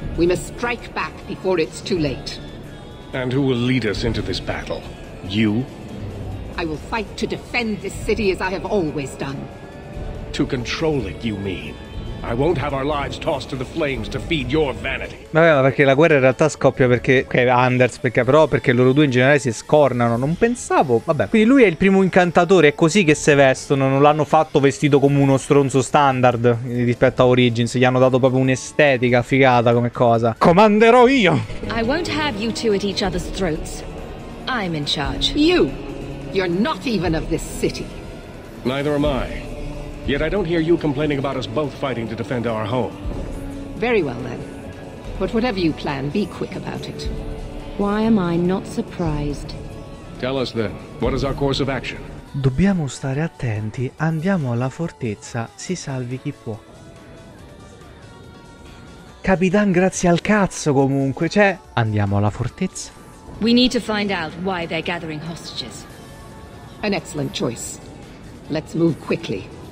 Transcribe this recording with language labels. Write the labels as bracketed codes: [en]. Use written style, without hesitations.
[en] We must strike back before it's too late. And who will lead us into this battle? You? I will fight to defend this city as I have always done. To control it, you mean? I won't have our lives tossed to the flames to feed your vanity. [it] Vabbè, ma perché la guerra in realtà scoppia perché... Ok, Anders, perché però perché loro due in generale si scornano. Non pensavo. Vabbè, quindi lui è il primo incantatore. È così che si vestono. Non l'hanno fatto vestito come uno stronzo standard rispetto a Origins. Gli hanno dato proprio un'estetica figata come cosa. Comanderò io! [en] I won't have you two at each other's throats. I'm in charge. You! You're not even of this city. Neither am I. Yet I don't hear you complaining about us both fighting to defend our home. Very well then. But whatever you plan, be quick about it. Why am I not surprised? Tell us then, what is our course of action? [it] Dobbiamo stare attenti, andiamo alla fortezza, si salvi chi può. Capitan, grazie al cazzo comunque, cioè... Andiamo alla fortezza. [en] We need to find out why they're gathering hostages. An excellent choice. Let's move quickly.